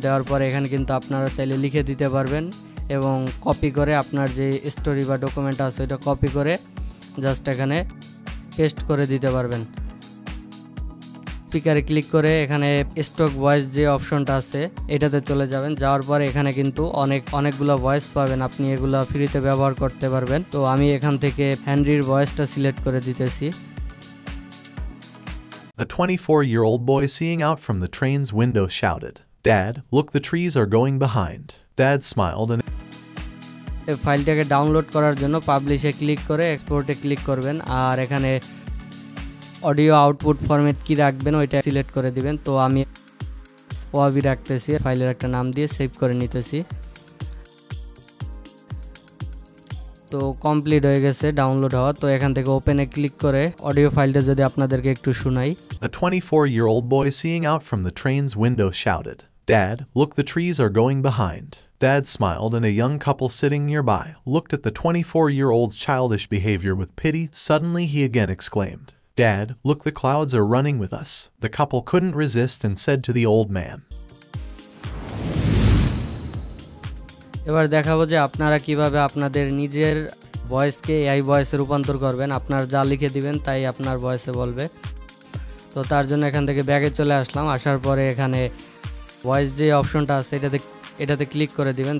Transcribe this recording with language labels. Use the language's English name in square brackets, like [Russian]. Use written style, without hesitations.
[Bangla] দেওয়ার পর এখানে কিন্তু আপনারা চাইলে লিখে দিতে পারবেন এবং কপি করে আপনার যে স্টোরি বা ডকুমেন্ট আছে ওইটা কপি করে জাস্ট এখানে পেস্ট করে দিতে পারবেন। স্পিকারে ক্লিক করে এখানে স্টক ভয়েস যে অপশনটা আছে এটাতে চলে যাবেন। যাওয়ার পরে এখানে কিন্তু অনেকগুলো ভয়েস পাবেন, আপনি এগুলো ফ্রিতে ব্যবহার করতে পারবেন। তো আমি এখান থেকে হেনরির ভয়েসটা সিলেক্ট করে দিতেছি। [English] A 24-year-old boy seeing out from the train's window shouted, "Dad, look, the trees are going behind." Dad smiled and [Bangla] এই ফাইলটাকে ডাউনলোড করার জন্য পাবলিশে ক্লিক করে এক্সপোর্টে ক্লিক করবেন আর এখানে অডিও আউটপুট ফরম্যাট কী রাখবেন ওইটা সিলেক্ট করে দিবেন। তো আমি ওয়াবি রাখতেছি। ফাইলের একটা নাম দিয়ে সেভ করে নিতেছি। তো কমপ্লিট হয়ে গেছে ডাউনলোড হওয়া। তো এখান থেকে ওপেনে ক্লিক করে অডিও ফাইলটা যদি আপনাদেরকে একটু শোনাই। [English] A 24-year-old boy seeing out from the train's window shouted, "Dad, look, the trees are going behind." Dad smiled and a young couple sitting nearby looked at the 24-year-old's childish behavior with pity. Suddenly he again exclaimed, "Dad, look, the clouds are running with us." The couple couldn't resist and said to the old man. [Bangla] এবার দেখাবো যে আপনারা কিভাবে আপনাদের নিজের ভয়েসকে AI ভয়েসে রূপান্তর করবেন। আপনার যা লিখে দিবেন তাই আপনার ভয়েসে বলবে। তো তার জন্য এখান থেকে ব্যাগে চলে আসলাম। আসার পরে এখানে ভয়েস যে অপশনটা আছে এটাতে ক্লিক করে দিবেন।